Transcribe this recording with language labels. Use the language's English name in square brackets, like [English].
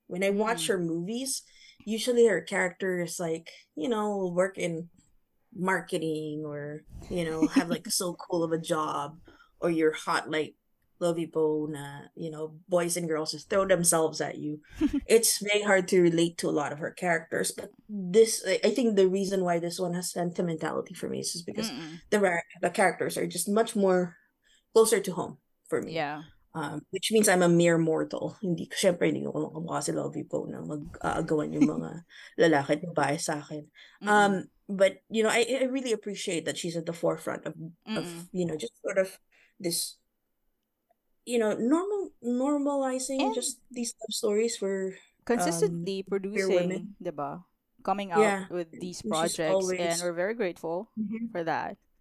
[English] When I watch her movies, usually her character is like, you know, work in marketing or, you know, have like so cool of a job, or you're hot like Lovey Bone, you know, boys and girls just throw themselves at you. It's very hard to relate to a lot of her characters. But this, I think the reason why this one has sentimentality for me is just because the characters are just much more closer to home for me. Yeah. Which means I'm a mere mortal. [Filipino] Hindi ko syempre hindi ko makamukha si Lovey Bone na mag-aagawan yung mga lalaki at babae sa akin. [English] But, you know, I really appreciate that she's at the forefront of you know, just sort of this, you know, normalizing and just these love stories for consistently producing, diba? Coming out with these projects. Always... And we're very grateful for that.